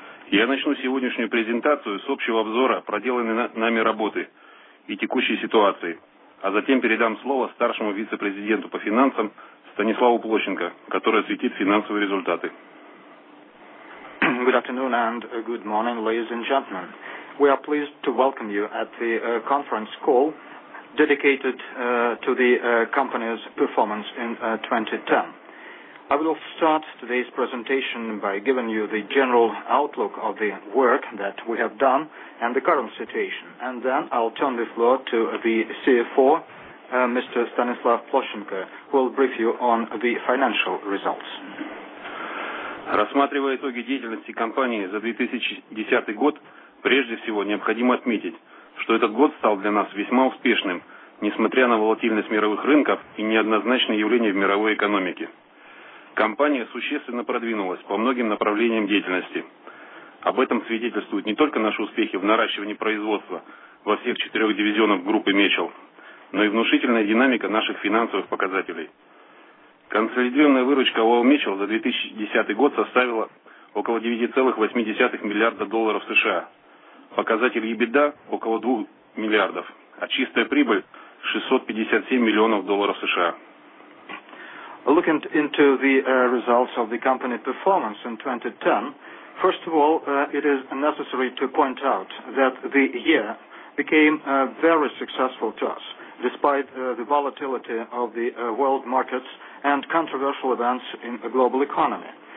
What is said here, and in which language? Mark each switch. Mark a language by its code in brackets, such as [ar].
[ru] Я начну сегодняшнюю презентацию с общего обзора проделанной нами работы и текущей ситуации, а затем передам слово старшему вице-президенту по финансам Станиславу Площенко, который осветит финансовые результаты. [en] Good afternoon and good morning, ladies and gentlemen. We are pleased to welcome you at the conference call dedicated to the company's performance in 2010. I will start today's presentation by giving you the general outlook of the work that we have done and the current situation, and then I'll turn the floor to the CFO, Mr. Stanislav Ploshenko, who will brief you on the financial results. [ru] Рассматривая итоги деятельности компании за 2010 год, прежде всего необходимо отметить, что этот год стал для нас весьма успешным, несмотря на волатильность мировых рынков и неоднозначные явления в мировой экономике. Компания существенно продвинулась по многим направлениям деятельности. Об этом свидетельствуют не только наши успехи в наращивании производства во всех четырех дивизионах группы Mitchell, но и внушительная динамика наших финансовых показателей. Консолидированная выручка ООО Mitchell за 2010 год составила около 9,8 миллиарда долларов США, показатель EBITDA – около 2 миллиардов, а чистая прибыль – 657 миллионов долларов США. [en] Looking into the results of the company performance in 2010, first of all, it is necessary to point out that the year became very successful to us, despite the volatility of the world markets and controversial events in the global economy.